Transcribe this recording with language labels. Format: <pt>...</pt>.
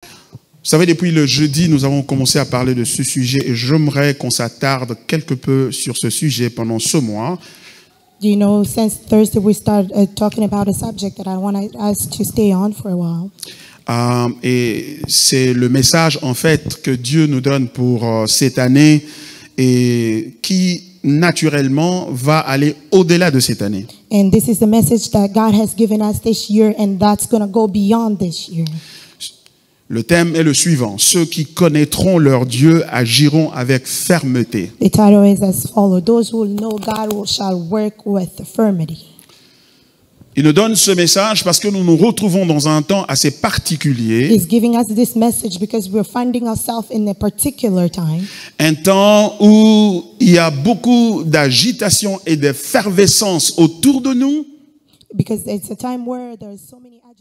<fr>Vous savez, depuis le jeudi, nous avons commencé à parler de ce sujet et j'aimerais qu'on s'attarde quelque peu sur ce sujet pendant ce mois.</fr> <en>You know, since Thursday we started talking about a subject that I want us to stay on for a while.</en> <fr>Et c'est le message en fait que Dieu nous donne pour cette année et qui naturellement va aller au-delà de cette année.</fr> <en>And this is the message that God has given us this year and that's going to go beyond this year.</en> <fr>Le thème est le suivant. Ceux qui connaîtront leur Dieu agiront avec fermeté.</fr> <en>The title is as follows. Those who know God shall work with firmity.</en> <fr>Il nous donne ce message parce que nous nous retrouvons dans un temps assez particulier.</fr> <en>He's giving us this message because we're finding ourselves in a particular time.</en> <fr>Un temps où il y a beaucoup d'agitation et d'effervescence autour de nous.</fr> <en>Because it's a time where there's so many</en>